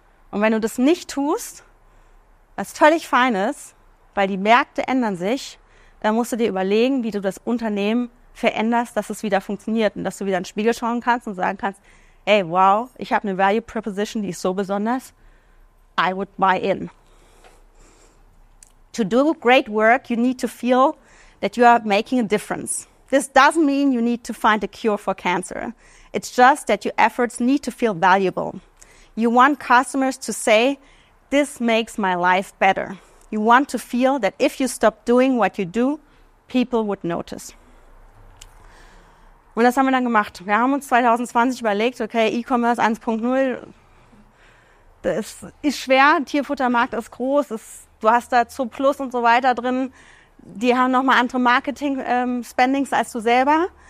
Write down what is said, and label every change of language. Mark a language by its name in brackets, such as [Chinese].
[German] Und wenn du das nicht tust, was völlig fein ist, weil die Märkte ändern sich, dann musst du dir überlegen, wie du das Unternehmen veränderst, dass es wieder funktioniert und dass du wieder in den Spiegel schauen kannst und sagen kannst, ey, wow, ich habe eine Value Proposition, die ist so besonders, [English] I would buy in. To do great work, you need to feel that you are making a difference. This doesn't mean you need to find a cure for cancer. It's just that your efforts need to feel valuable. You want customers to say, this makes my life better. You want to feel that if you stop doing what you do, people would notice. [German] Und das haben wir dann gemacht. Wir haben uns 2020 überlegt, okay, E-Commerce 1.0, das ist schwer, Tierfuttermarkt ist groß, du hast da Zooplus und so weiter drin, die haben nochmal andere Marketing-Spendings als du selber.